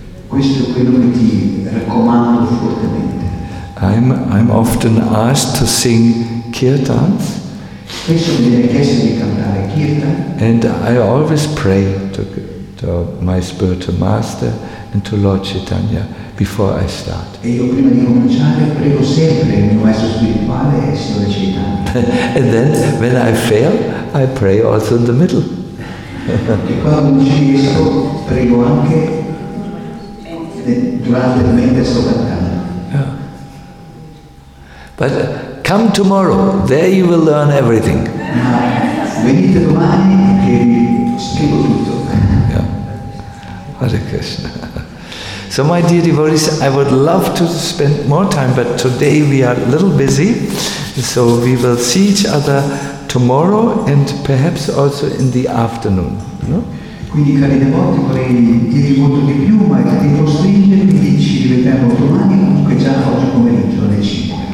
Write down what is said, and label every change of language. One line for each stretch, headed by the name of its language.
Italian: Questo è quello che ti raccomando fortemente.
English: I'm often asked to sing kirtans.
Italian: Spesso mi viene chiesto di cantare kirtan.
English: And I always pray to my spiritual master and to Lord Chaitanya before I start.
Italian: E io prima di cominciare prego sempre il mio maestro spirituale e Signore Chaitanya.
English: And then when I fail, I pray also in the middle.
Italian: E quando non ci riesco, prego anche durante il mentre sto cantando.
English: But come tomorrow, there you will learn everything.
Italian: Venite domani che vi spiego tutto.
Sanskrit: Hare Krishna.
English: So my dear devotees, I would love to spend more time, but today we are a little busy, so we will see each other tomorrow and perhaps also in the afternoon. No?
Italian: Quindi cari devoti, vorrei dirvi molto di più, ma che ti costringere, ci rivediamo domani, comunque già oggi pomeriggio alle 5.